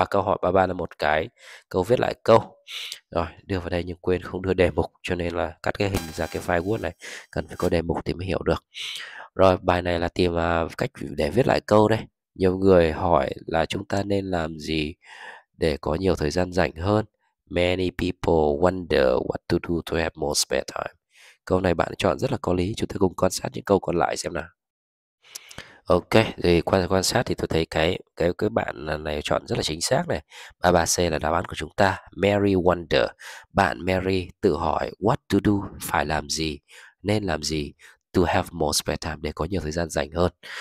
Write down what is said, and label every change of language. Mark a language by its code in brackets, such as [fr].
[vi] Câu hỏi 33 là một cái câu viết lại câu rồi đưa vào đây nhưng quên không đưa đề mục, cho nên là cắt cái hình ra cái file Word này, cần phải có đề mục thì mới hiểu được. Rồi bài này là tìm cách để viết lại câu đây. Nhiều người hỏi là chúng ta nên làm gì để có nhiều thời gian rảnh hơn. [en] Many people wonder what to do to have more spare time. [vi] Câu này bạn chọn rất là có lý, chúng ta cùng quan sát những câu còn lại xem nào. Ok, thì quan sát thì tôi thấy cái bạn này chọn rất là chính xác này. 33C là đáp án của chúng ta. Mary wonder, bạn Mary tự hỏi what to do, phải làm gì, nên làm gì, [en] to have more spare time, [vi] để có nhiều thời gian rảnh hơn.